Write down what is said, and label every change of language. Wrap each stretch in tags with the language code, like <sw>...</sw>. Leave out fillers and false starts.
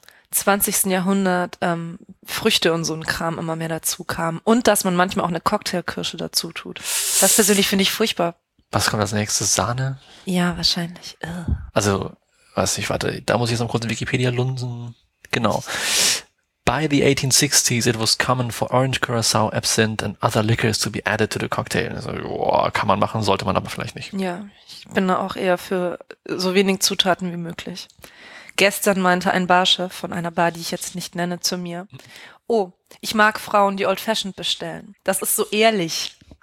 <de>20. Jahrhundert Früchte und so ein Kram immer mehr dazu kam und dass man manchmal auch eine Cocktailkirsche dazu tut. Das persönlich finde ich furchtbar. Was kommt als nächstes? Sahne? Ja, wahrscheinlich. Also, weiß nicht, warte, da muss ich jetzt noch kurz in Wikipedia lunsen. Genau.</de> <en>By the 1860s, it was common for orange Curacao, absinthe and other liquors to be added to the cocktail.</en> <de>Also, boah, kann man machen, sollte man aber vielleicht nicht. Ja, ich bin da auch eher für so wenig Zutaten wie möglich. Gestern meinte ein Barchef von einer Bar, die ich jetzt nicht nenne, zu mir: Oh, ich mag Frauen, die Old Fashioned bestellen. Das ist so ehrlich.</de>